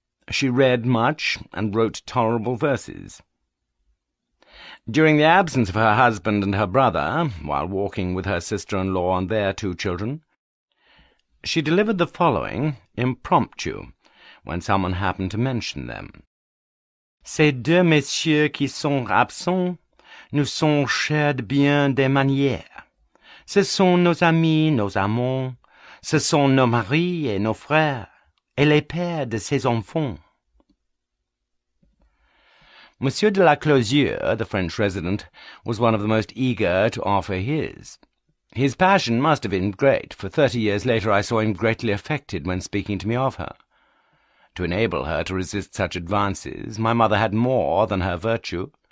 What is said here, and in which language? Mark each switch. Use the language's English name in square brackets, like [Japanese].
[English] She read much and wrote tolerable verses. During the absence of her husband and her brother, while walking with her sister-in-law and their two children, she delivered the following impromptu, when someone happened to mention them. [French] Ces deux messieurs qui sont absents nous sont chers de bien des manières. Ce sont nos amis, nos amants, ce sont nos maris et nos frères, et les pères de ces enfants. [English] Monsieur de la Closure, the French resident, was one of the most eager to offer his. His passion must have been great, for 30 years later I saw him greatly affected when speaking to me of her. To enable her to resist such advances, my mother had more than her virtue.